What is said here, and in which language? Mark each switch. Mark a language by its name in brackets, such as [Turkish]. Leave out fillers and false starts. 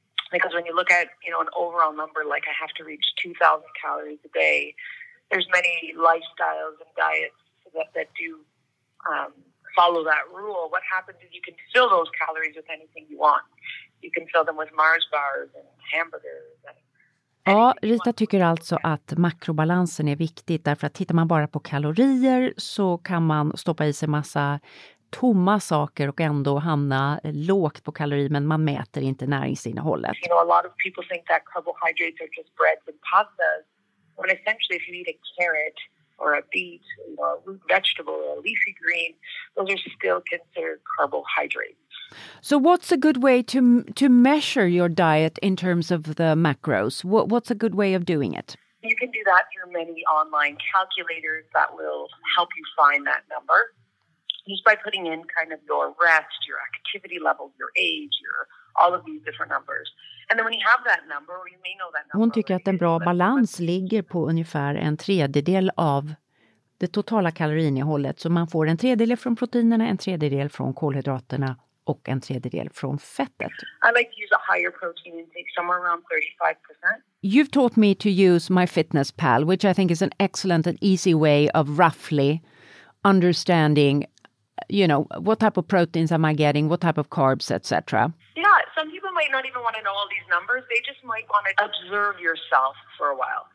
[English] Because when you look at, you know, an overall number, like I have to reach 2,000 calories a day, there's many lifestyles and diets that do follow that rule. What happens is you can fill those calories with anything you want. You can fill them with Mars bars and hamburgers. [Swedish] Ja, Rita tycker alltså att makrobalansen är viktig, därför att tittar man bara på kalorier så kan man stoppa i sig massa tomma saker och ändå hamna lågt på kalori, men man mäter inte näringsinnehållet. [English] You know, a lot of people think that carbohydrates are just breads and pastas, but essentially if you eat a carrot or a beet, you know, a root vegetable or a leafy green, those are still considered carbohydrates. So what's a good way to measure your diet in terms of the macros? What's a good way of doing it? You can do that through many online calculators that will help you find that number. Just by putting in kind of your rest, your activity level, your age, your all of these different numbers. And then when you have that number, or you may know that number. [Swedish] Hon tycker att en bra balans ligger på ungefär en tredjedel av det totala kaloriinnehållet. Så man får en tredjedel från proteinerna, en tredjedel från kolhydraterna och en tredjedel från fettet. [English] I like to use a higher protein intake, somewhere around 35%. You've taught me to use my fitness pal, which I think is an excellent and easy way of roughly understanding, you know, what type of proteins am I getting, what type of carbs, etc. Yeah, some people might not even want to know all these numbers. They just might want to observe yourself for a while.